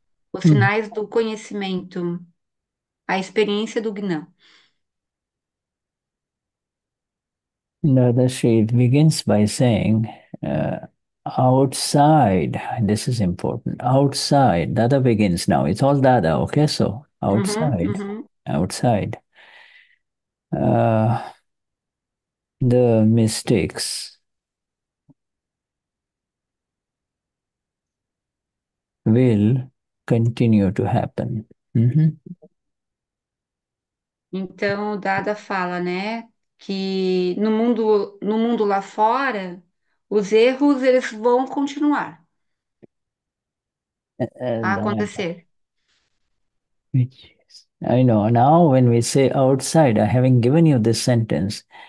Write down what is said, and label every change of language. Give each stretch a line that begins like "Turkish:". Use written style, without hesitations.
Portuguese: Os sinais do conhecimento, a experiência do Gnan.
English: Another sheet begins by saying, outside, this is important. Outside, Dada begins now. It's all Dada, okay? So, outside, the mistakes. Will continue to happen.
Portuguese: Então, Dada fala, né, que no mundo lá fora, os erros eles vão continuar a acontecer.
English: I know. Now, when we say outside, I haven't given you this sentence.